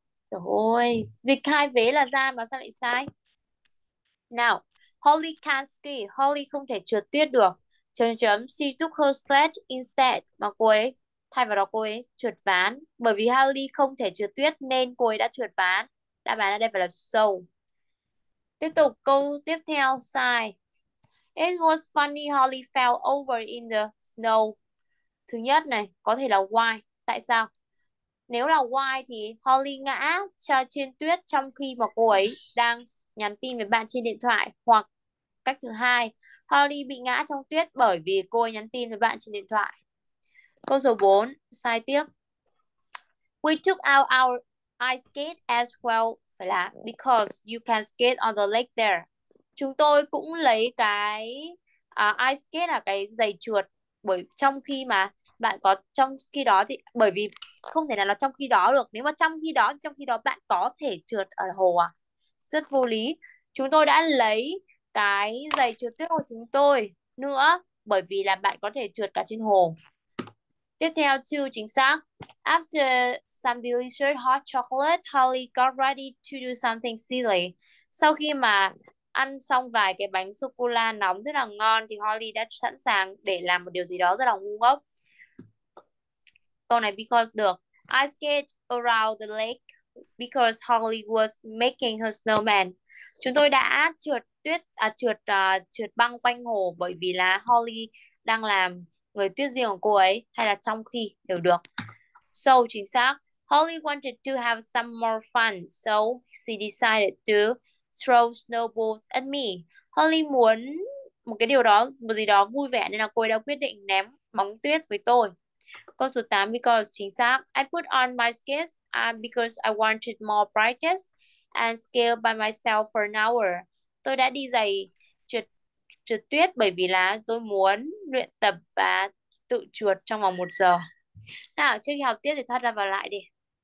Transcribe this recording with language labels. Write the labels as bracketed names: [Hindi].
[Vietnamese] Trời ơi, dịch hai vế là ra mà sao lại sai? Nào, [English] Holly can't ski, [Vietnamese] Holly không thể trượt tuyết được. Chấm chấm, [English] she took her sled instead. [Vietnamese] Mà cô ấy, thay vào đó cô ấy trượt ván. Bởi vì Holly không thể trượt tuyết nên cô ấy đã trượt ván. Đáp án ở đây phải là so. Tiếp tục câu tiếp theo sai. [English] It was funny Holly fell over in the snow. [Vietnamese] Thứ nhất này, có thể là why. Tại sao? Nếu là why thì Holly ngã cho trên tuyết trong khi mà cô ấy đang nhắn tin với bạn trên điện thoại. Hoặc cách thứ hai, Holly bị ngã trong tuyết bởi vì cô ấy nhắn tin với bạn trên điện thoại. Câu số 4, sai tiếp. [English] We took out our ice skate as well. [Vietnamese] Phải là [English] because you can skate on the lake there. [Vietnamese] Chúng tôi cũng lấy cái ice skate là cái giày trượt bởi trong khi mà bạn có trong khi đó thì bởi vì không thể nào là trong khi đó được, nếu mà trong khi đó bạn có thể trượt ở hồ à, rất vô lý. Chúng tôi đã lấy cái giày trượt tuyết của chúng tôi nữa bởi vì là bạn có thể trượt cả trên hồ. Tiếp theo chưa chính xác. [English] After some delicious hot chocolate, Holly got ready to do something silly. [Vietnamese] Sau khi mà ăn xong vài cái bánh sô cô la nóng rất là ngon thì Holly đã sẵn sàng để làm một điều gì đó rất là ngu ngốc. Câu này because được. [English] I skate around the lake because Holly was making her snowman. [Vietnamese] Chúng tôi đã trượt tuyết à, trượt trượt băng quanh hồ bởi vì là Holly đang làm người tuyết riêng của cô ấy, hay là trong khi đều được. So chính xác. [English] Holly wanted to have some more fun, so she decided to throw snowballs at me. [Vietnamese] Holly muốn một cái điều đó, một gì đó vui vẻ nên là cô ấy đã quyết định ném bóng tuyết với tôi. Câu số 8, because chính xác. [English] I put on my skates because I wanted more practice and skate by myself for an hour. [Vietnamese] Tôi đã đi giày trượt trượt tuyết bởi vì là tôi muốn luyện tập và tự trượt trong vòng 1 giờ. Nào, trước khi học tiếp thì thoát ra vào lại đi.